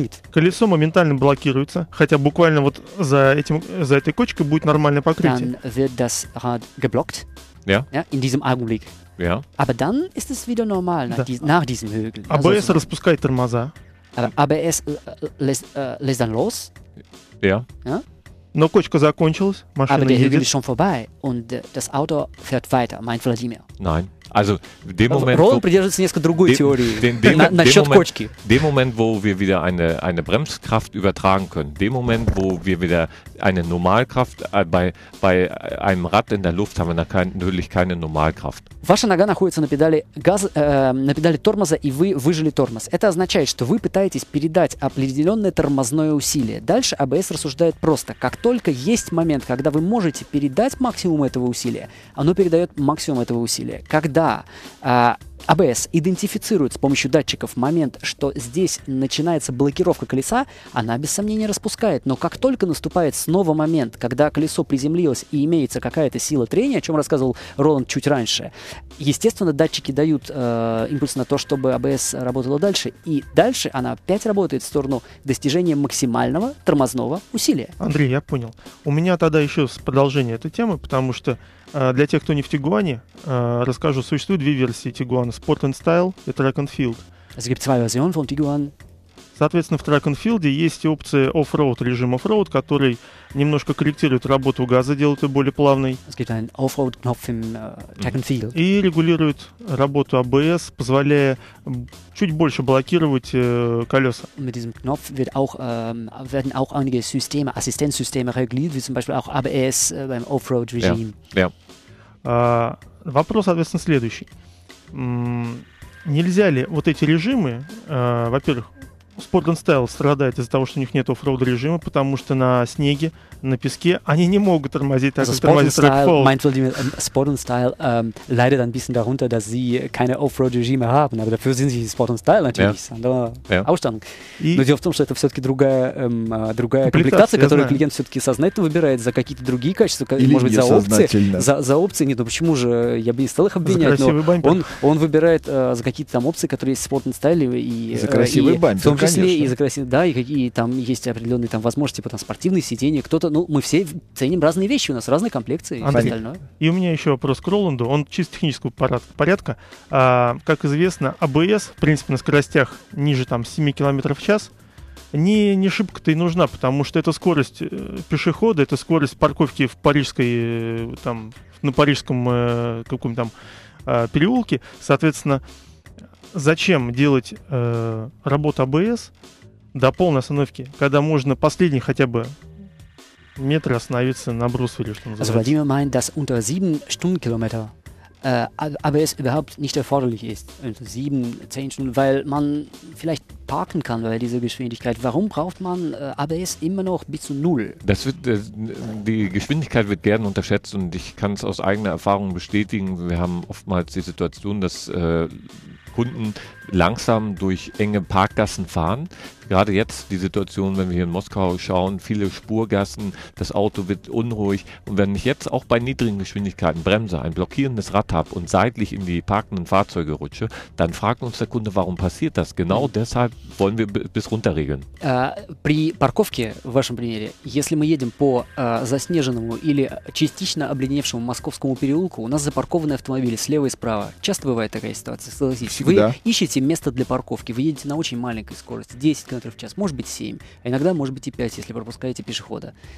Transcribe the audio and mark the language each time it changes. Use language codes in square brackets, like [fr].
[ru] Колесо моментально блокируется, хотя буквально вот за этой кочкой будет нормальное покрытие. [de] Dann wird das Rad geblockt. Ja. In diesem Augenblick. Ja. Aber dann ist es wieder normal nach diesem Hügel. [ru] ABS распускает тормоза. [de] ABS lässt dann los. Ja. Ja. [ru] Но кочка закончилась, машина едет. [de] Aber der Hügel ist schon vorbei und das Auto fährt weiter, meint Vladimir. Nein. Also, dem Moment, [ru] Roland придерживается несколько другой теории насчет кочки. [de] Dem Moment, wo wir wieder eine Bremskraft übertragen können, dem Moment, wo wir wieder eine Normalkraft bei einem Rad in der Luft haben, wir natürlich keine Normalkraft. [ru] Ваша нога находится на педали на педали тормоза, и вы выжали тормоз. Это означает, что вы пытаетесь передать определенное тормозное усилие. Дальше АБС рассуждает просто. Как только есть момент, когда вы можете передать максимум этого усилия, оно передает максимум этого усилия. Когда АБС идентифицирует с помощью датчиков момент, что здесь начинается блокировка колеса, она без сомнения распускает. Но как только наступает снова момент, когда колесо приземлилось и имеется какая-то сила трения, о чем рассказывал Роланд чуть раньше, естественно, датчики дают импульс на то, чтобы АБС работала дальше. И дальше она опять работает в сторону достижения максимального тормозного усилия. Андрей, я понял. У меня тогда еще продолжение этой темы, потому что для тех, кто не в Тигуане, расскажу, существуют две версии Тигуана. [en] Sport and Style и Track and Field. [de] Es gibt zwei Versionen von Tiguan. [ru] Соответственно, в Track and Field есть опция Off-Road, режим Off-Road, который немножко корректирует работу газа, делает ее более плавной. [de] Es gibt einen Off-Road Knopf in Track and Field. [ru] И регулирует работу ABS, позволяя чуть больше блокировать колеса. [de] Mit diesem Knopf wird auch, werden auch einige Systeme, Assistenzsysteme reguliert, wie zum Beispiel auch ABS beim Off-Road Regime. Yeah. Yeah. [ru] Вопрос, соответственно, следующий. Нельзя ли вот эти режимы, во-первых, Sport and Style страдает из-за того, что у них нет оффроуд режима, потому что на снеге, на песке они не могут тормозить, так как тормозит Trackfold. [de] Sport and Style leidet ein bisschen darunter, dass sie keine [ru] оффроуд режимы [de] haben, aber dafür sind sie Sport and Style natürlich, yeah. Andere yeah. Ausstattung. [ru] Но дело в том, что это все-таки другая, другая комплектация, которую клиент все-таки сознательно выбирает за какие-то другие качества, или может быть, за опции. За опции, нет, ну почему же, я бы не стал их обвинять, но он выбирает за какие-то там опции, которые есть в Sport and Style и за красивый бампер. В числе и за красивые, да, и какие там есть определенные там возможности, потом спортивные сиденья, кто-то, ну, мы все ценим разные вещи, у нас разные комплекции, Андрей, и все остальное. И у меня еще вопрос к Роланду, он чисто технического порядка. Как известно, АБС, в принципе, на скоростях ниже там 7 км в час, не шибко-то и нужна, потому что это скорость пешехода, это скорость парковки в парижской, там, на парижском каком-то там переулке, соответственно, зачем делать работу АБС до полной остановки, когда можно последний хотя бы метр остановиться на брусвере, что называется? [de] Also, Владимир meint, dass unter 7 Stundenkilometer ABS überhaupt nicht erforderlich ist. Also 7, 10 Stunden, weil man vielleicht parken kann bei dieser Geschwindigkeit. Warum braucht man ABS immer noch bis zu 0? Das wird, die Geschwindigkeit wird gern unterschätzt und ich kann es aus eigener Erfahrung bestätigen. Wir haben oftmals die Situation, dass Kunden langsam durch enge Parkgassen fahren. Gerade jetzt die Situation, wenn wir hier in Moskau schauen, viele Spurgassen, das Auto wird unruhig. Und wenn ich jetzt auch bei niedrigen Geschwindigkeiten bremse, ein blockierendes Rad habe und seitlich in die parkenden Fahrzeuge rutsche, dann fragt uns der Kunde, warum passiert das? Genau deshalb wollen wir bis runter regeln. [ru] При парковке, в вашем примере, если мы едем по заснеженному или частично обледеневшему московскому переулку, у нас запаркованы автомобили слева и справа. Часто бывает такая ситуация, согласитесь. Вы ищете место для парковки, вы едете на очень маленькой скорости, 10 км в час, может быть 7, а иногда может быть и 5, если пропускаете пешехода.